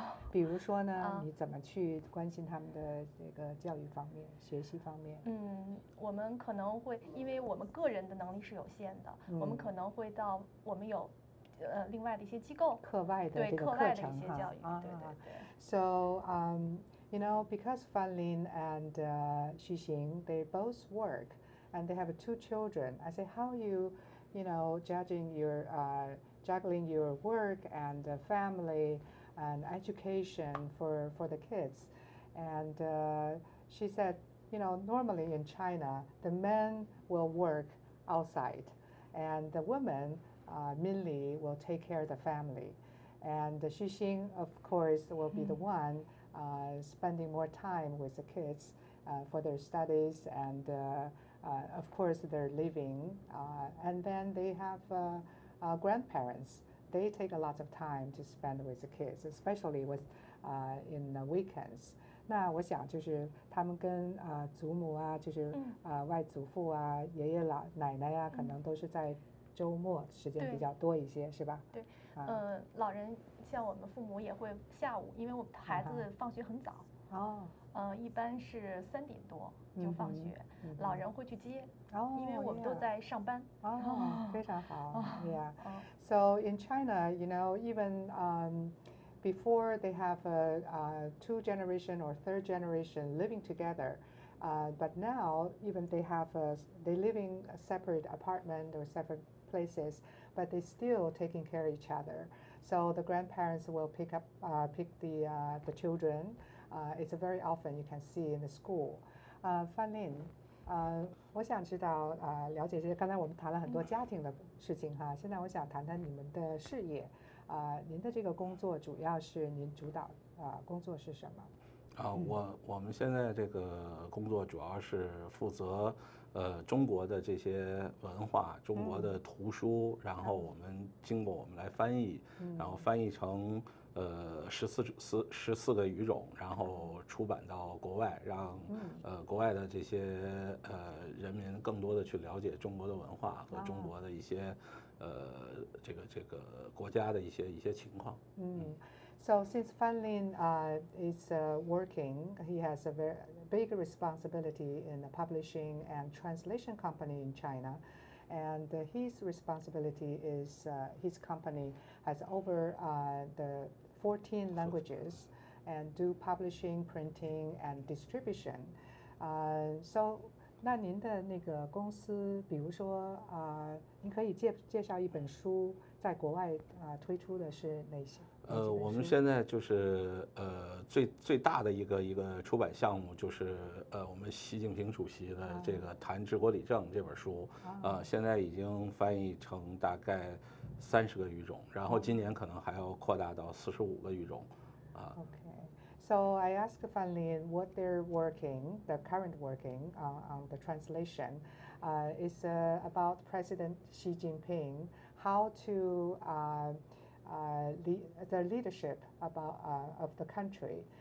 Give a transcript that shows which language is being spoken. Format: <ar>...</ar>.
<zh>比如说呢你怎么去关心他们的这个教育方面学习方面我们可能会因为我们个人的能力是有限的我们可能会到我们有另外的一些机构课外的这个课程对课外的一些教育对对对</zh> <en>So you know because Fan Lin and Xu Xing they both work and they have two children I say how you you know judging your juggling your work and family and education for the kids and she said you know normally in China the men will work outside and the womenMinli will take care of the family. And Xu Xing, of course, will be the one spending more time with the kids for their studies and, of course, their living. And then they have grandparents. They take a lot of time to spend with the kids, especially with, in the weekends.</en> <zh>那我想就是他们跟祖母啊，就是外祖父啊，爷爷老奶奶啊，可能都是在周末时间比较多一些是吧对老人像我们父母也会下午因为我们孩子放学很早一般是3点多就放学老人会去接因为我们都在上班非常好</zh> <en>So in China you know evenbefore they have a two generation or third generation living togetherbut now even they have they living a separate apartment or separateplaces but they still taking care of each other so the grandparents will pick up pick the children it's very often you can see in the school</en> <zh>Fan Lin 我想知道了解这些刚才我们谈了很多家庭的事情哈现在我想谈谈你们的事业您的这个工作主要是您主导工作是什么我们现在这个工作主要是负责中国的这些文化中国的图书然后我们经过我们来翻译然后翻译成14个语种然后出版到国外让国外的这些人民更多的去了解中国的文化和中国的一些这个国家的一些情况</zh> <en>So since Fan Lin is working, he has a very big responsibility in the publishing and translation company in China. And his responsibility is his company has over the 14 languages and do publishing, printing, and distribution.</en> <zh>So 那您的那个公司比如说您可以介绍一本书在国外推出的是哪些我们现在就是最大的一个出版项目就是我们习近平主席的这个谈治国理政这本书现在已经翻译成大概30个语种然后今年可能还要扩大到45个语种</zh> <en>So I asked Fan Lin what they're working, the current working on the translation. It's about President Xi Jinping, how to the leadership about, of the country.</en>